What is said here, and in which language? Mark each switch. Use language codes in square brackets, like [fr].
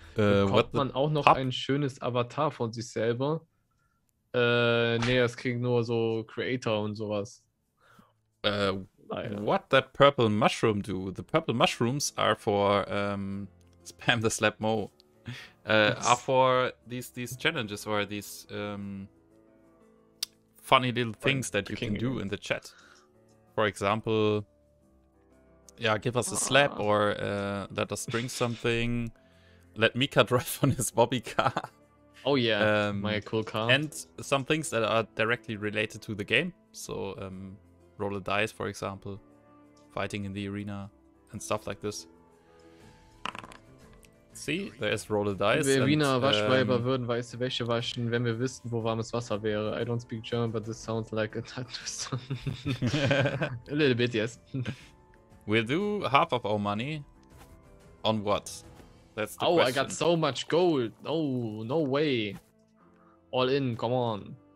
[de] Bekommt man auch noch ein schönes Avatar von sich selber? Nee, das kriegen nur so Creator und sowas. [en] What that purple mushroom do? The purple mushrooms are for spam the slap mo. Are for these challenges or these funny little things that you can do in the chat. For example, yeah, give us a slap or let us drink something. Let Mika drive on his bobby car. Oh yeah, my cool car. And some things that are directly related to the game. So roll a dice, for example, fighting in the arena and stuff like this. See, there's roll a dice. [de] Wenn wir Wiener Waschweiber würden, weiße Wäsche waschen, wenn wir wüssten, wo warmes Wasser wäre. [en] I don't speak German, but this sounds like a tattoo song. A little bit, yes. We'll do half of our money. On what? That's the question. I got so much gold. No, no way. All in, come on.